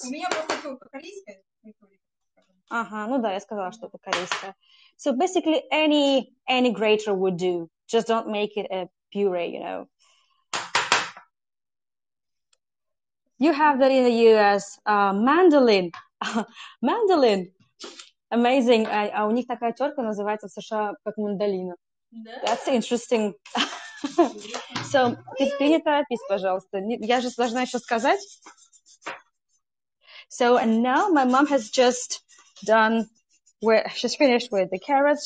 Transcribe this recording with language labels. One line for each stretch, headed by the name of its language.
Russian: У меня просто только корейская. Ну да, я сказала, что это корейская.
English: So basically any grater would do. Just don't make it a puree, you know. You have that in the US. Mandolin. Mandolin. Amazing.
Russian: А у них такая терка называется США как мандолина.
English: That's interesting.
Russian: So, ты не торопись, пожалуйста. Я же должна еще сказать.
English: So, and now my mom has just done where she's finished with the carrots.